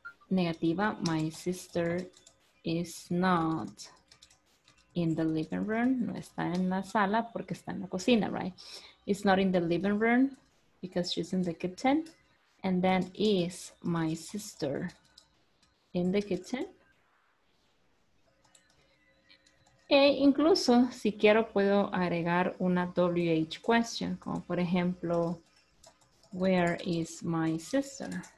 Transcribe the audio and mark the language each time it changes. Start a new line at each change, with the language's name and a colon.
English: Negativa, my sister is not in the living room.
Spanish: No está en la sala porque está en la cocina,
English: right? It's not in the living room because she's in the kitchen. And then, is my sister in the kitchen?
Spanish: E incluso, si quiero, puedo agregar una WH question, como por ejemplo,
English: where is my sister?